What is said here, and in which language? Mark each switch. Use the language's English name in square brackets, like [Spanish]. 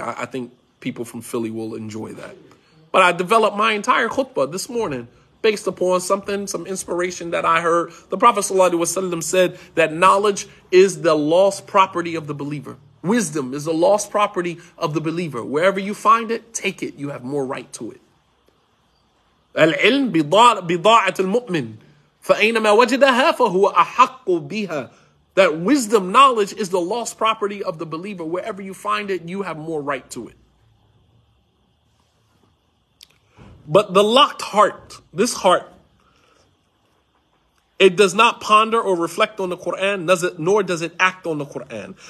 [English] I think people from Philly will enjoy that. But I developed my entire khutbah this morning based upon something, some inspiration that I heard. The Prophet sallallahu alaihi wasallam said that knowledge is the lost property of the believer. Wisdom is the lost property of the believer. Wherever you find it, take it. You have more right to it. [Arabic] العلم بضاعة المؤمن فأينما وجدها فهو أحق بها. [English] That wisdom, knowledge, is the lost property of the believer. Wherever you find it, you have more right to it. But the locked heart, this heart, it does not ponder or reflect on the Quran, nor does it act on the Quran.